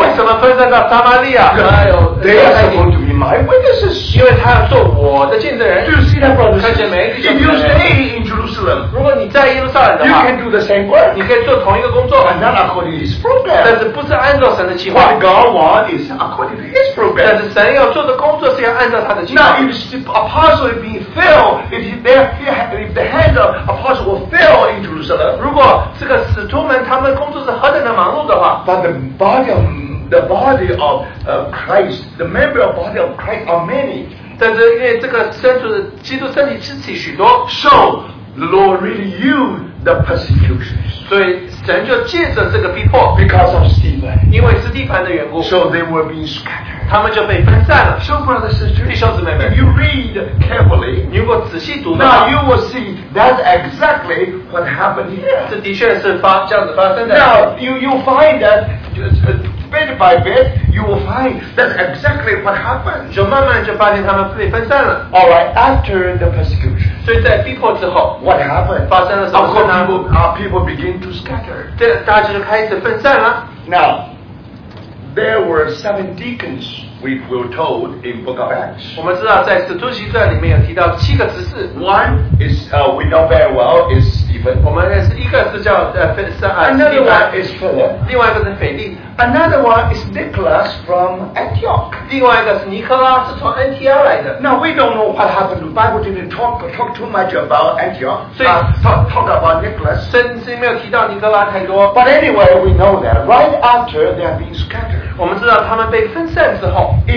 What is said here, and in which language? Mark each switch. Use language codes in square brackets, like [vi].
[zh] 为什么分散到撒玛利亚? [en] They are supposed to be my witnesses, [zh] 因为他要做我的见证人, [en] do you see that, brothers? [zh] 看见没? [en] If you stay in Jerusalem, [zh] 如果你在耶路撒冷的话, [en] you can do the same work, [zh] 你可以做同一个工作, [en] but not according to his program, [zh] 但是不是按照神的计划, [en] what God wants is according to his program, [zh] 但是神要做的工作是要按照他的计划。 [en] Now if the apostle is being filled, if the hands of apostle were filled in Jerusalem, [zh] 如果这个使徒们他们的工作是何等的忙碌的话, [en] but the body of Christ, the member of body of Christ are many, [zh] 但是因为这个身处基督身体肢体许多, [en] so the Lord really used the persecutions, [zh] 所以神就借着这个逼迫, [en] because of Stephen, [zh] 因为斯蒂凡的缘故, [en] so they were being scattered, [zh] 他们就被分散了, [en] so brothers and sisters, [zh] 弟兄姊妹们, [en] if you read carefully, [zh] 如果仔细读的话, [en] now you will see that's exactly what happened here, [zh] 这的确是这样子发生的, [en] now you find that bit by bit, you will find that's exactly what happened, [zh] 就慢慢就发现他们被分散了, [en] alright, after the persecution, [zh] 所以在逼迫之后, [en] what happened? [zh] 发生了什么事呢? [en] Of course, people begin to scatter, [zh] 大家就开始分散了, [en] now there were 7 deacons, we were told in Book of Acts. [zh] 我们知道在使徒行传里面有提到七个执事。 [en] One is we know very well is Stephen. [zh] 我们是一个是叫 [en] Another one is Philip. [zh] 另外一个是腓力。 [en] Another one is Nicholas from Antioch. [zh] 另外一个是尼克拉是从安提阿来的。 [en] Now we don't know what happened. The Bible didn't talk too much about Antioch. 所以talk about Nicholas. [zh] 甚至没有提到尼克拉太多。 [en] But anyway, we know that right after they are being scattered, [zh] 我们知道他们被分散之后,